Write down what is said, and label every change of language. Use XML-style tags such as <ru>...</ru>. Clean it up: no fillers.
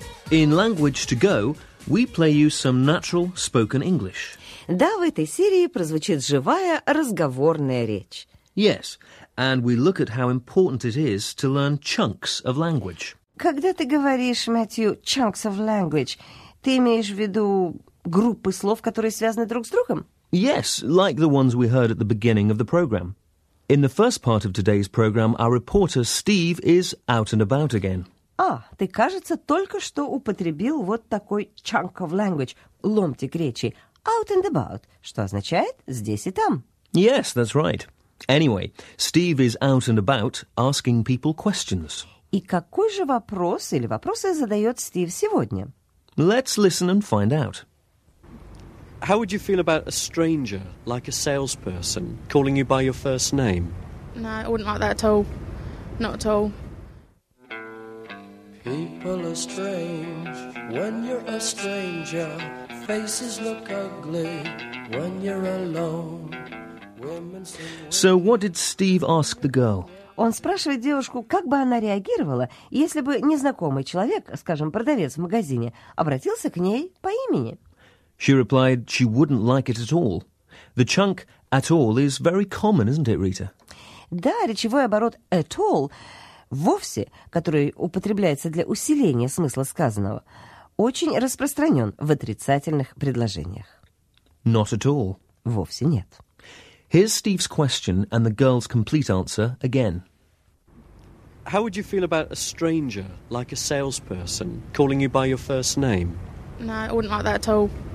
<en>In Language to Go, we play you some natural spoken English.</en> <ru>Да, в этой серии прозвучит живая разговорная речь.</ru> <en>Yes, and we look at how important it is to learn chunks of language.</en> <ru>Когда ты говоришь, Мэтью,</ru> <en>chunks of language,</en> <ru>ты имеешь в виду группы слов, которые связаны друг с другом?</ru> <en>Yes, like the ones we heard at the beginning of the program. In the first part of today's program, our reporter Steve is out and about again.</en> <ru>А, ты, кажется, только что употребил вот такой</ru> <en>chunk of language,</en> <ru>ломтик речи,</ru> <en>out and about,</en> <ru>что означает «здесь и там».</ru> <en>Yes, that's right. Anyway, Steve is out and about asking people questions.</en> <ru>И какой же вопрос или вопросы задает Стив сегодня?</ru> <en>Let's listen and find out. How would you feel about a stranger, like a salesperson, calling you by your first name? No, I wouldn't like that at all. Not at all. People are strange when you're a stranger. Faces look ugly when you're alone. So what did Steve ask the girl?</en> <ru>Он спрашивает девушку, как бы она реагировала, если бы незнакомый человек, скажем, продавец в магазине, обратился к ней по имени.</ru> <en>She replied she wouldn't like it at all. The chunk at all is very common, isn't it, Rita?</en> <ru>Да, речевой оборот at all, вовсе, который употребляется для усиления смысла сказанного, очень распространен в отрицательных предложениях.</ru> <en>Not at all.</en> <ru>Вовсе нет.</ru> <en>Here's Steve's question and the girl's complete answer again. How would you feel about a stranger, like a salesperson, calling you by your first name? No, I wouldn't like that at all.</en>